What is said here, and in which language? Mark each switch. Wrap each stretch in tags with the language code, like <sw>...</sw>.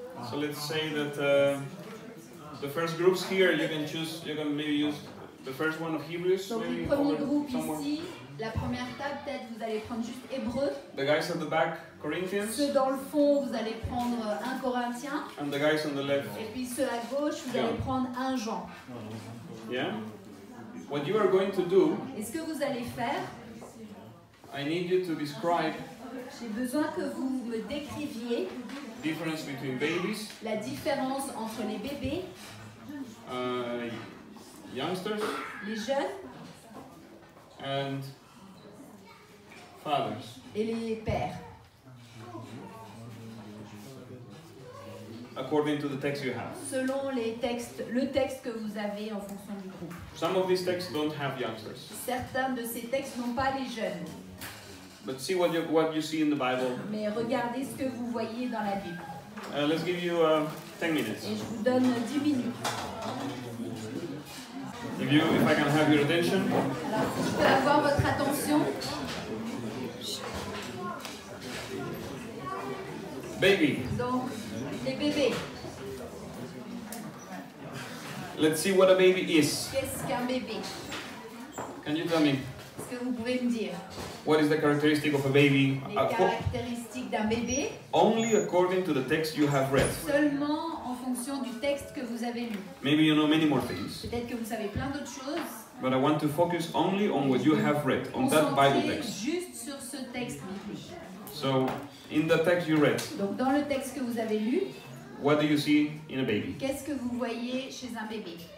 <en>So let's say that the first groups here, you can choose, you can maybe use the first one of Hebrews.</en> <fr>Donc, le premier groupe ici, la première table, peut-être vous allez prendre juste Hébreux.</fr> <en>The guys at the back, Corinthians.</en> <fr>Ceux dans le fond, vous allez prendre 1 Corinthien.</fr> <en>And the guys on the left.</en> <fr>Et puis ceux à gauche, vous allez prendre 1 Jean.</fr> <en>Yeah? What you are going to do,</en> <fr>est-ce que vous allez faire,</fr> <en>I need you to describe,</en> <fr>j'ai besoin que vous me décriviez,</fr> <en>difference between babies,</en> <fr>la différence entre les bébés,</fr> <en>youngsters,</en> <fr>les jeunes,</fr> <en>and fathers,</en> <fr>et les pères,</fr> <en>according to the text you have.</en> <fr>Selon les textes, le texte que vous avez en fonction du groupe.</fr> <en>Some of these texts don't have youngsters.</en> <fr>Certains de ces textes n'ont pas les jeunes.</fr> <en>But see what you see in the Bible.</en> <fr>Mais regardez ce que vous voyez dans la Bible.</fr> <en>Let's give you 10 minutes.</en> <fr>Et je vous donne 10 minutes.</fr> <en>If I can have your attention.</en> <fr>Alors, je peux avoir votre attention.</fr> <en>Baby.</en> <fr>Donc, les bébés.</fr> <en>Let's see what a baby is.</en> <fr>Qu'est-ce qu'un bébé?</fr> <en>Can you tell me?</en> <fr>Ce que vous pouvez me dire.</fr> <en>What is the characteristic of a baby?</en> <fr>Les caractéristiques d'un bébé.</fr> <en>Only according to the text you have read.</en> <fr>Seulement en fonction du texte que vous avez lu.</fr> <en>Maybe you know many more things.</en> <fr>Peut-être que vous savez plein d'autres choses.</fr> <en>But I want to focus only on what you have read, on that Bible text.</en> <fr>Juste sur ce texte biblique.</fr> <en>So, in the text you read.</en> <fr>Donc dans le texte que vous avez lu.</fr> <en>What do you see in a baby?</en> <fr>Qu'est-ce que vous voyez chez un bébé?</fr>